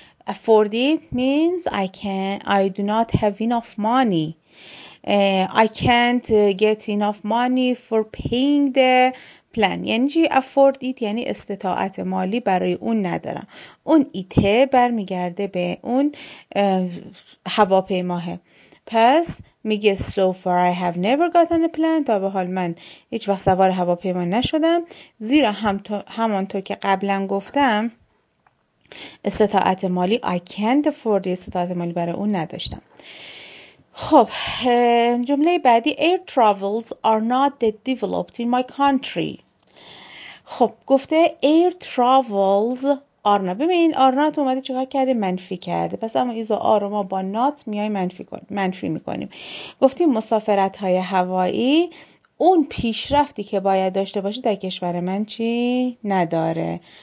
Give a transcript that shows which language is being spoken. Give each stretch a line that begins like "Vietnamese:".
English: Afford it means I do not have enough money. I can't get enough money for paying the plan.
Persian: یعنی چی؟ افورد ایت یعنی استطاعت مالی برای اون ندارم. اون ایته برمیگرده به اون هواپیماه. پس میگه
English: so far I have never gotten a plan.
Persian: تا به حال من هیچ وقت سوار هواپیما نشدم، زیرا همانطور که قبلا گفتم استطاعت مالی،
English: I can't afford it،
Persian: استطاعت مالی برای اون نداشتم. خب جمله بعدی،
English: air travels are not that developed in my country.
Persian: خب گفته
English: air travels are not.
Persian: ببین
English: are not
Persian: اومده چقدر کرده؟ منفی کرده. پس اما ایزا آر ما با not میای منفی میکنیم. گفتیم مسافرت های هوایی اون پیشرفتی که باید داشته باشه در کشور من چی؟ نداره.